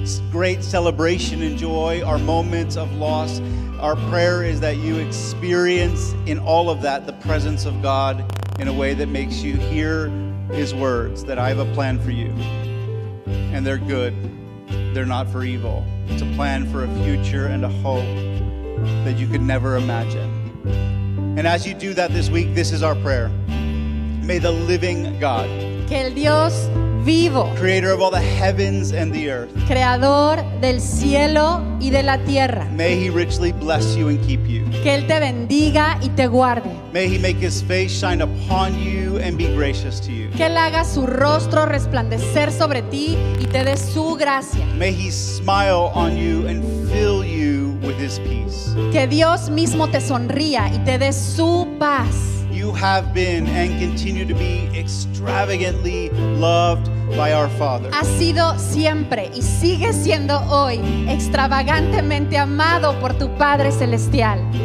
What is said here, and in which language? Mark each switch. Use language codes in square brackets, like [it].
[en] great celebration and joy or moments of loss, our prayer is that you experience in all of that the presence of God in a way that makes you hear his words, that I have a plan for you, and they're good, they're not for evil. It's a plan for a future and a hope that you could never imagine. And as you do that this week, this is our prayer. May the living God, [es] que el Dios vivo, [en] creator of all the heavens and the earth, [es] creador del cielo y de la tierra, [en] may he richly bless you and keep you. [es] Que él te bendiga y te guarde. [en] May he make his face shine upon you and be gracious to you. [es] Que él haga su rostro resplandecer sobre ti y te dé su gracia. [en] May he smile on you and fill you with his peace. [es] Que Dios mismo te sonría y te dé su paz. [en] You have been and continue to be extravagantly loved by our Father. [es] Ha sido siempre y sigue siendo hoy extravagantemente amado por tu Padre Celestial.